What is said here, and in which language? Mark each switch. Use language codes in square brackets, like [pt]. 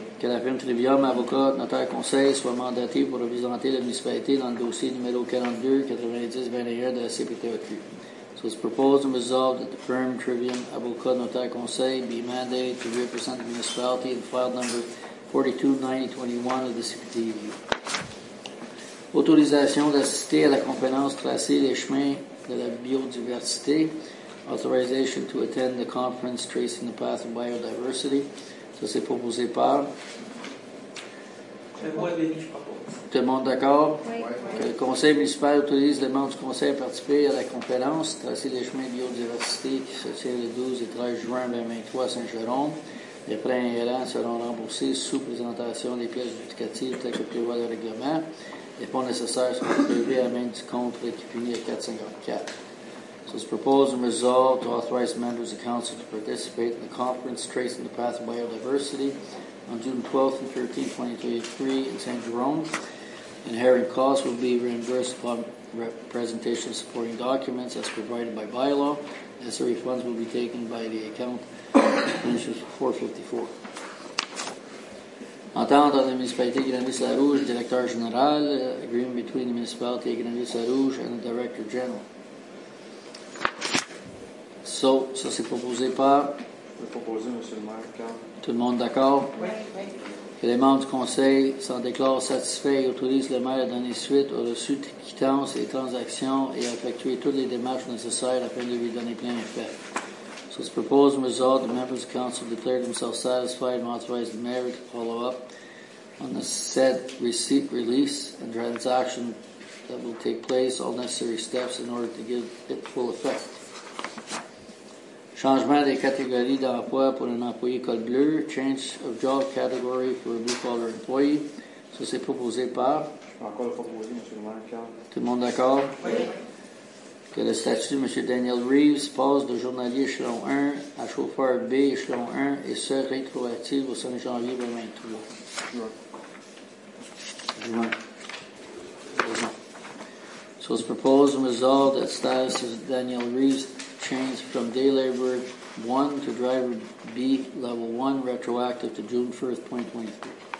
[fr] Que la firme Trivium Avocat Notaire Conseil soit mandatée pour représenter la municipalité dans le dossier numéro 42-90-21 de la CPTQ. [en] So it's proposed and resolved that the firm Trivium Avocat Notaire Conseil be mandated to represent the municipality in file number 429021 of the CPTQ. [fr] Autorisation d'assister à la conférence Tracer les chemins de la biodiversité. [en] Authorization to attend the conference Tracing the Path of Biodiversity. [fr] Ça, c'est proposé par... Tout le monde d'accord? Oui. Que le conseil municipal autorise les membres du conseil à participer à la conférence Tracer les chemins de biodiversité qui se tient le 12 et 13 juin 2023 à Saint-Jérôme. Les frais inhérents seront remboursés sous présentation des pièces éducatives telles que prévoit le règlement. Les fonds nécessaires seront prélevés à main du compte récupéré à 454. [en] So, it's proposed and resolved to authorize members of council to participate in the conference Tracing the Path of Biodiversity on June 12th and 13th, 2023, in Saint-Jérôme. Inherent costs will be reimbursed upon presentation of supporting documents as provided by bylaw. Necessary funds will be taken by the account, 454. [fr] Entente entre la municipalité de Granville-Sarrouge, directeur général, [en] agreement between the municipality of Granville-Sarrouge and the director general. [fr] So, ça c'est proposé par. C'est proposé, monsieur le maire, Carl. Tout le monde d'accord? Oui. Que les membres du conseil s'en déclarent satisfaits et autorisent le maire à donner suite aux reçus de quittances et transactions et à effectuer toutes les démarches nécessaires afin de lui donner plein effet. [en] So it's proposed and resolved the members of council declare themselves satisfied and authorize the mayor to follow up on the said receipt release and transaction that will take place all necessary steps in order to give it full effect. [fr] Changement des catégories d'emploi pour un employé code bleu, [en] change of job category for a blue collar employee. [fr] So c'est proposé par. Je peux encore le proposer, monsieur le maire. Tout le monde d'accord? Oui. Que le statut de M. Daniel Reeves passe de journalier échelon 1 à chauffeur B échelon 1 et ce rétroactif au 5 janvier 2023. Juin. Juin. [en] So it's proposed and resolved that status of Daniel Reeves changed from day laborer 1 to driver B level 1 retroactive to June 1st, 2023.